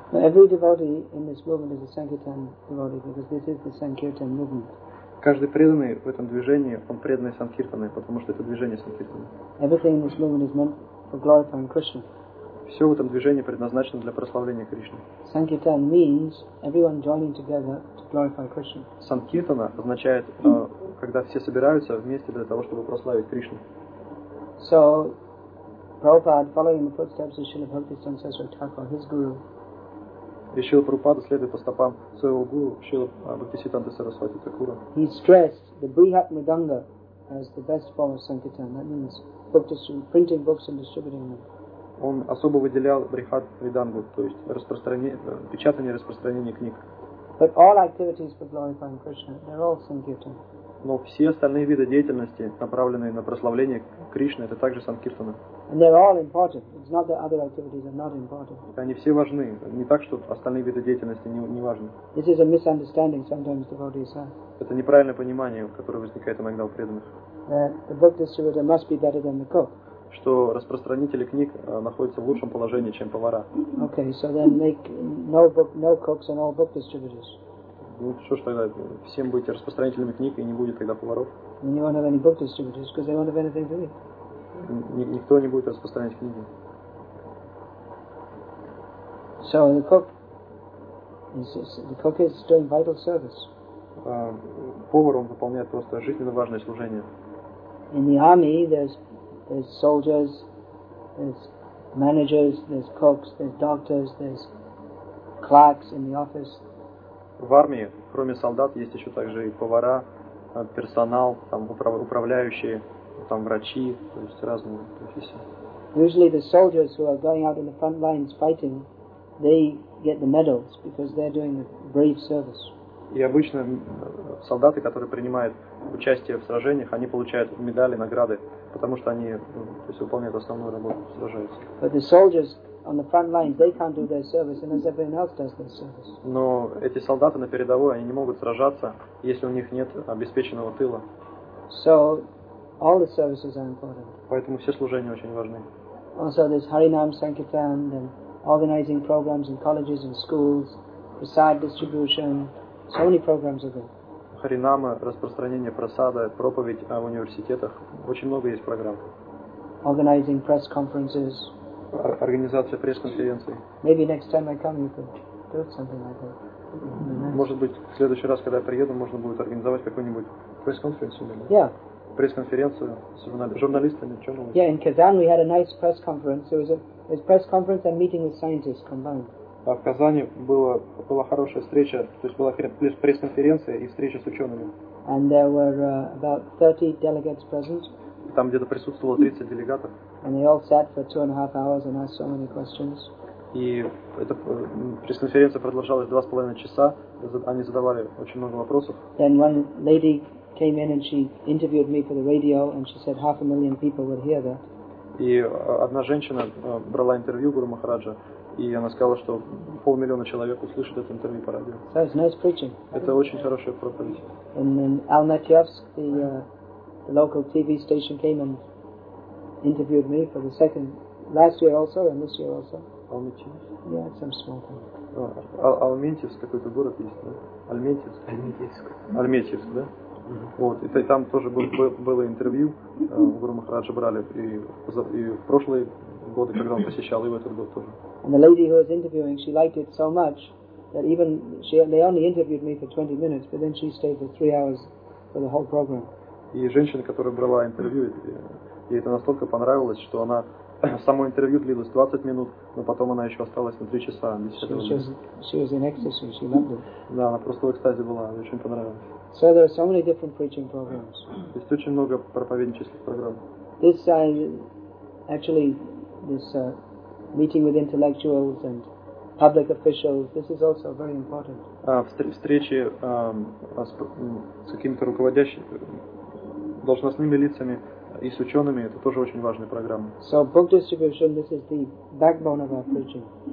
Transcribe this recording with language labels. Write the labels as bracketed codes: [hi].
[en] Now every devotee in this movement is a Sankirtan devotee because this is the Sankirtan movement. [ru] Каждый преданный в этом движении, он преданный Санкиртаны, потому что это движение Санкиртаны. [en] Everything in this movement is meant for glorifying Krishna. [ru] Все в этом движении предназначено для прославления Кришны. [en] Sankirtan means everyone joining together to glorify Krishna. [ru] Sankirtana означает, когда все собираются вместе для того, чтобы прославить Кришну. [en] So, Prabhupada, following the footsteps of Śrīla Bhakti Sanāsara Thakura, his guru. [ru] И Śrīla Prabhupada следует по стопам своего гуру Śrīla Bhaktisiddhanta Sarasvati Thakura. [en] He stressed the Brihat Mridanga as the best form of Sankirtan. That means printing books and distributing them. [ru] Он особо выделял Брихат Мридангу, то есть печатание и распространение книг. [en] But all activities for glorifying Krishna, they're all Sankirtan. [ru] Но все остальные виды деятельности, направленные на прославление Кришны, это также Санкиртана. [en] And they're all important. It's not that other activities are not important. [ru] И они все важны. Не так, что остальные виды деятельности не важны. [en] This is a misunderstanding sometimes devotees have. [ru] Это неправильное понимание, которое возникает иногда у преданных. [en] The book distributor must be better than the cook. [ru] Что распространители книг находятся в лучшем положении, чем повара. [en] Okay, so then make no cooks and all book distributors. [ru] Ну что ж тогда, всем будете распространителями книг, и не будет тогда поваров. [en] And you won't have any book distributors, because they won't have anything to eat. [ru] Никто не будет распространять книги. [en] So the cook is doing vital service. [ru] Повар, он выполняет просто жизненно важное служение. [en] In the army, there's soldiers, there's managers, there's cooks, there's doctors, there's clerks in the office. [ru] В армии, кроме солдат, есть еще также и повара, персонал, там управляющие, там врачи, то есть разные профессии. [en] Usually the soldiers who are going out in the front lines fighting, they get the medals because they're doing a brave service. [ru] И обычно солдаты, которые принимают участие в сражениях, они получают медали, награды, потому что они, то есть, выполняют основную работу, сражаются. [en] But the soldiers on the front lines, they can't do their service unless everyone else does their service. [ru] Но эти солдаты на передовой, они не могут сражаться, если у них нет обеспеченного тыла. [en] So all the services are important. [ru] Поэтому все служения очень важны. [en] Also there's Harinam Sankirtan, then organizing programs in colleges and schools, prasad distribution. So many programs are there. [ru] Харинама, распространение просада, проповедь в университетах. Очень много есть программ. [en] Organizing press conferences. [ru] Организация пресс-конференций. [en] Maybe next time I come, you could do something like that. [ru] Может быть, в следующий раз, когда я приеду, можно будет организовать какую-нибудь пресс-конференцию. [en] Yeah. [ru] Пресс-конференцию с журналистами, [en] чёрному. Yeah, in Kazan we had a nice press conference. It was press conference and meeting with scientists combined. [ru] А в Казани была хорошая встреча, то есть была пресс-конференция и встреча с учеными. [en] And there were about 30 delegates present. [ru] Там где-то присутствовало 30 делегатов. [en] And they all sat for 2.5 hours and asked so many questions. [ru] И эта пресс-конференция продолжалась 2.5 часа, они задавали очень много вопросов. [en] Then one lady came in and she interviewed me for the radio and she said 500,000 people would hear that. [ru] И одна женщина брала интервью Гуру Махараджа. И она сказала, что 500,000 человек услышат это интервью по радио. [en] So it's nice preaching. [ru] Это очень хорошая проповедь. [en] And in Almatyevsk, the local TV station came and interviewed me for the second, last year also and this year also. Almatyevsk? Yeah, it's some small town. [ru] Алметьевск какой-то город есть, да? Алметьевск? Алметьевск. Алметьевск, да? Вот, и там тоже было интервью, Гуру Махараджа брали, и в прошлые годы, когда он посещал, и в этот год тоже. [en] And the lady who was interviewing, she liked it so much that even they only interviewed me for 20 minutes, but then she stayed for 3 hours for the whole program. [ru] И женщина, которая брала интервью, ей это настолько понравилось, что она само интервью длилось 20 минут, но потом она еще осталась на 3 часа. [en] She was in ecstasy, she loved it. [ru] Да, она просто в экстазе была, ей очень понравилось. [en] So there are so many different preaching programs. [ru] Есть очень много проповеднических программ. [en] This actually this meeting with intellectuals and public officials, this is also very important. [ru] Встречи с какими-то руководящими должностными лицами и с учеными, это тоже очень важная программа. [en] So book distribution, this is the backbone of our preaching.